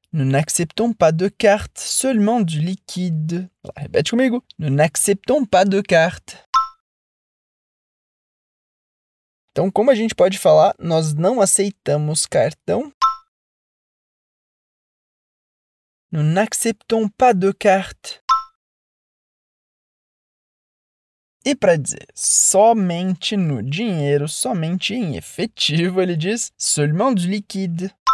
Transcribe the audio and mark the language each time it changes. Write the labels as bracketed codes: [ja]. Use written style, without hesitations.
[fr] Nous n'acceptons pas de carte, seulement du liquide. Répète comigo. Nous n'acceptons pas de carte. [pt] Então, como a gente pode falar, nós não aceitamos cartão? [fr] Nous n'acceptons pas de carte. [pt] E para dizer somente no dinheiro, somente em efetivo, ele diz [fr] seulement du liquide.